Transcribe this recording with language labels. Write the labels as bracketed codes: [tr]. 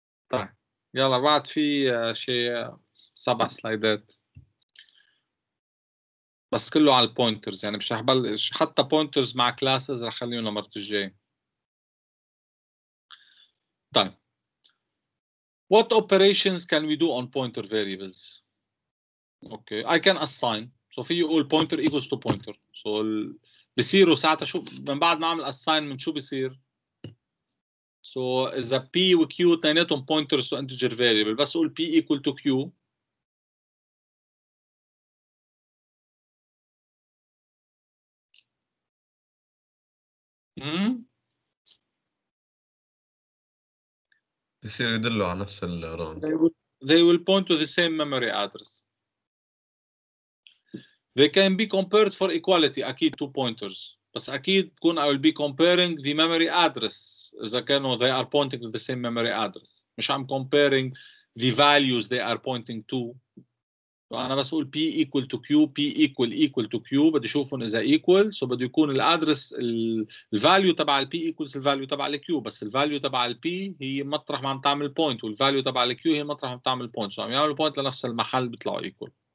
[ar] طيب يلا بعد في شيء سبع سلايدات بس كله على البوينترز، يعني مش هحبل حتى بوينترز مع كلاسز، رح خليهم لمرت الجاي. [en] طيب what operations can we do on pointer variables? Okay, I can assign. So [ar] في يقول [en] pointer equals to pointer. [ar] So بصيروا ساعتها شو من بعد ما عمل assign من شو بصير؟ So إذا p و q تانيتهم [en] pointers to integer variable، [ar] بس قول p equal to q. بصير يدلوا على نفس الران. [en] They will point to the same memory address. They can be compared for equality. أكيد two pointers. [ar] بس أكيد كون [en] I will be comparing the memory address. [ar] إذا كانوا [en] they are pointing to the same memory address. مش I'm comparing the values they are pointing to. [ar] فأنا بس أقول بي إيكول تو كيو، بي إيكول إيكول تو كيو، بدي أشوفهم إذا إيكول، سو بدي يكون الأدرس الفاليو تبع البي إيكولز الفاليو تبع الكيو، بس الفاليو تبع البي هي مطرح ما عم تعمل بوينت، والفاليو تبع الكيو هي مطرح ما عم تعمل بوينت، سو عم يعملوا بوينت لنفس المحل بيطلعوا إيكول.